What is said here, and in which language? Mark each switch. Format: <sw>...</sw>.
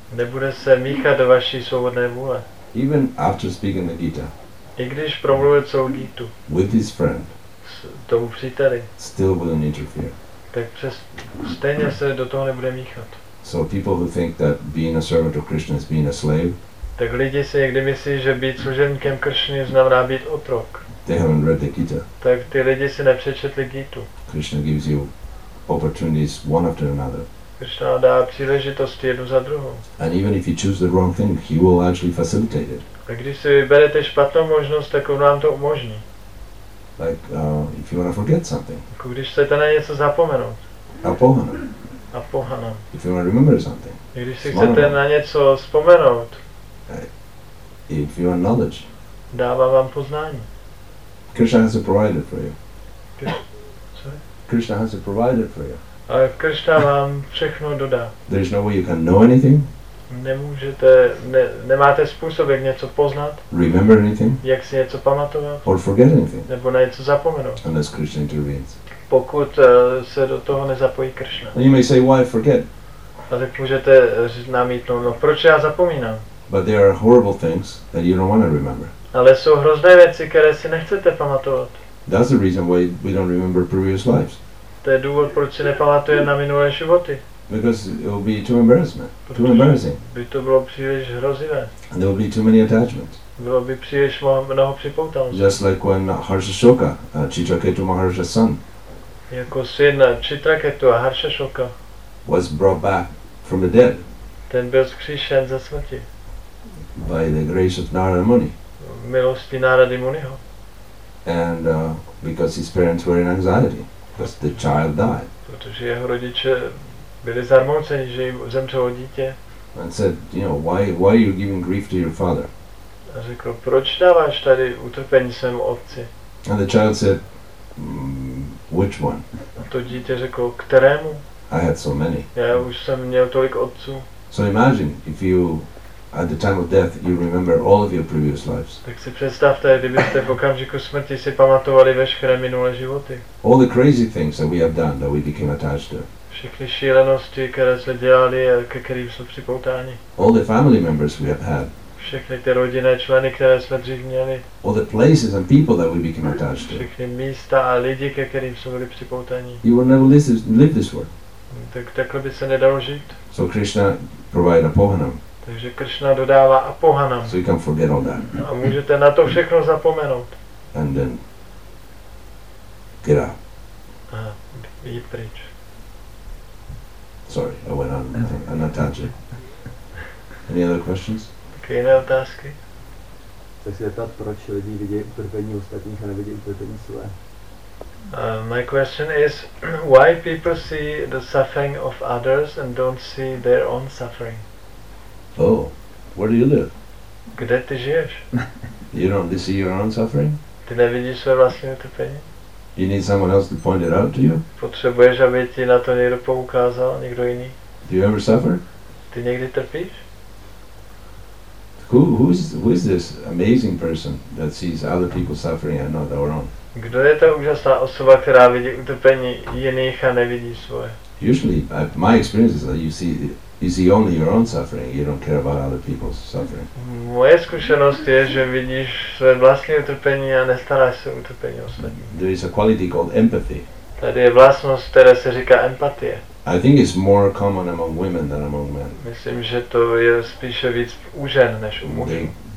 <cs>Nebude se míchat do vaší svobodné vůle.</cs> <en>Even after speaking the Gita.</en> <cs>I když promluvil celou Gitu.</cs> <en>With his friend.</en> <cs>S tomu příteli.</cs> <en>Still wouldn't interfere.</en> <cs>Tak přes stejně se do toho nebude míchat.</cs> <en>So people who think that being a servant of Krishna is being a slave.</en> <cs>Tak lidi si někdy myslí, že být služebníkem Krishny znamená být otrok.</cs> <en>They haven't read the Gita.</en> <cs>Tak ty lidi si nepřečetli Gitu.</cs> <en>Krishna gives you opportunities one after another.</en> <cs>Krishna dá příležitosti jednu za druhou.</cs> <en>And even if you choose the wrong thing, he will actually facilitate it.</en> <cs>A když si vyberete špatnou možnost, tak on vám to umožní.</cs> <en>Like if you want to forget something.</en> <cs>Jako když chcete na něco zapomenout.</cs> <en>Apohanam. If you want to remember something.</en> <cs>Když si chcete na něco vzpomenout.</cs> <en>If you want knowledge.</en> <cs>Dává vám poznání.</cs> <en>Krishna has it provided for you. Sorry? Krishna has it provided for you.</en> <cs>A Krishna vám všechno dodá.</cs> <en>There is no way you can know anything.</en> <cs>Nemůžete, nemáte způsob, jak něco poznat.</cs> <en>Remember anything.</en> <cs>Jak si něco pamatovat.</cs> <en>Or forget anything.</en> <cs>Nebo na něco zapomenout.</cs> <en>Unless Krishna intervenes.</en> <cs>Pokud se do toho nezapojí Krishna.</cs> <en>And you may say, why forget?</en> <cs>A tak můžete namítnout, no proč já zapomínám?</cs> <en>But there are horrible things that you don't want to remember.</en> <cs>Ale jsou hrozné věci, které si nechcete pamatovat.</cs> <en>That's the reason why we don't remember previous lives.</en> <cs>To je důvod, proč si nepamatuje na minulé životy.</cs> <en>Because it will be too embarrassment,</en> <cs>protože</cs> <en>too embarrassing.</en> <cs>By to bylo příliš hrozivé.</cs> <en>And there will be too many attachments.</en> <cs>Bylo by příliš mnoho připoutanosti.</cs> <en>Just like when Harshashoka, Chitraketu Maharsha's son.</en> <cs>Jako syn Chitraketu a Harshashoka.</cs> <en>Was brought back from the dead.</en> <cs>Ten byl zkříšen ze smrti.</cs> <en>By the grace of Narada Muni.</en> <cs>Milosti Narady Muniho.</cs> <en>And because his parents were in anxiety, because the child died.</en> <cs>Protože jeho rodiče byli zarmouceni, že jim zemřelo dítě.</cs> <en>And said, you know, why are you giving grief to your father?</en> <cs>A řekl, proč dáváš tady utrpení svému otci?</cs> <en>And the child said, which one?</en> <cs>A to dítě řekl, kterému?</cs> <en>I had so many.</en> <cs>Já už jsem měl tolik otců.</cs> <en>So imagine if you at the time of death, you remember all of your previous lives.</en> <cs>Tak si představte, kdybyste v okamžiku smrti si pamatovali veškeré minulé životy.</cs> <en>All the crazy things that we have done that we became attached to.</en> <cs>Všechny šílenosti, které jsme dělali a ke kterým jsme připoutáni.</cs> <en>All the family members we have had.</en> <cs>Všechny ty rodinné členy, které jsme dřív měli.</cs> <en>All the places and people that we became attached to.</en> <cs>Všechny místa a lidi, ke kterým jsme byli připoutáni.</cs> <en>You will never live this world.</en> <cs>Tak takhle by se nedalo žít.</cs> <en>So Krishna provide a pohanam.</en> <cs>Takže Krishna dodává apohanam.</cs> <en>So you can forget all that.</en> <cs>A můžete na to všechno zapomenout.</cs> <en>And then get out.</en> <cs>A jít pryč.</cs> <en>Sorry, I went on a tangent. Any other questions?</en> <cs>Taky jiné otázky? Chci se zeptat, proč lidi vidí utrpení ostatních a nevidí utrpení své?</cs> <en>My question is, why people see the suffering of others and don't see their own suffering? Oh, where do you live?</en> <cs>Kde ty žiješ?</cs> <en>You don't see your own suffering?</en> <cs>Ty nevidíš své vlastní utrpení?</cs> <en>You need someone else to point it out to you?</en> <cs>Potřebuješ, aby ti na to někdo poukázal, někdo jiný?</cs> <en>Do you ever suffer?</en> <cs>Ty někdy trpíš?</cs> <en>Who is this amazing person that sees other people suffering and not their own?</en> <cs>Kdo je ta úžasná osoba, která vidí utrpení jiných a nevidí svoje?</cs> <en>Usually, my experience is that you see only your own suffering. You don't care about other people's suffering.</en> <cs>Moje zkušenost je, že vidíš své vlastní utrpení a nestaráš se o utrpení ostatních.</cs> <en>There is a quality called empathy.</en> <cs>Tady je vlastnost, která se říká empatie.</cs> <en>I think it's more common among women than among men.</en> <cs>Myslím, že to je spíše víc u žen než u mužů.</cs>